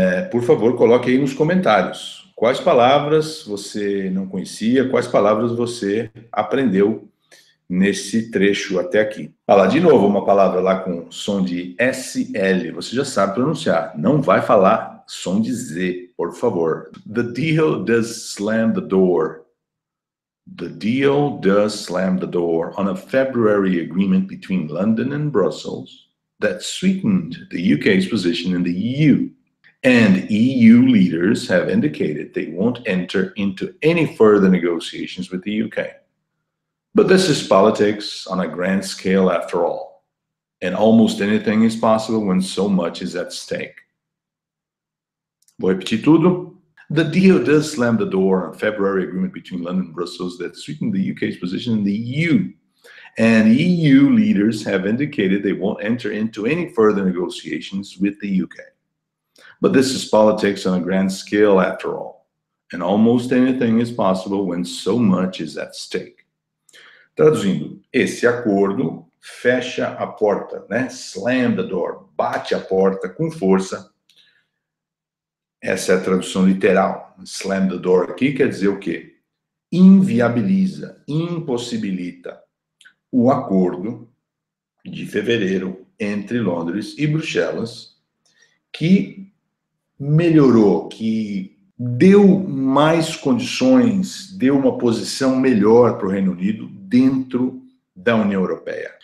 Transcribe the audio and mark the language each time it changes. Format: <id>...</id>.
<pt>Por favor, coloque aí nos comentários quais palavras você não conhecia, quais palavras você aprendeu nesse trecho até aqui. Olha lá, de novo, uma palavra lá com som de SL. Você já sabe pronunciar. Não vai falar som de Z, por favor.</pt> <en>The deal does slam the door. The deal does slam the door on a February agreement between London and Brussels that sweetened the UK's position in the EU. And EU leaders have indicated they won't enter into any further negotiations with the UK. But this is politics on a grand scale after all. And almost anything is possible when so much is at stake.</en> <pt>Vou repetir tudo.</pt> <en>The deal does slam the door on a February agreement between London and Brussels that sweetened the UK's position in the EU. And EU leaders have indicated they won't enter into any further negotiations with the UK. But this is politics on a grand scale after all. And almost anything is possible when so much is at stake.</en> <pt>Traduzindo, esse acordo fecha a porta, né?</pt> <en>Slam the door,</en> <pt>bate a porta com força. Essa é a tradução literal.</pt> <en>Slam the door</en> <pt>aqui quer dizer o quê? Inviabiliza, impossibilita o acordo de fevereiro entre Londres e Bruxelas, que melhorou, que deu mais condições, deu uma posição melhor para o Reino Unido dentro da União Europeia.</pt>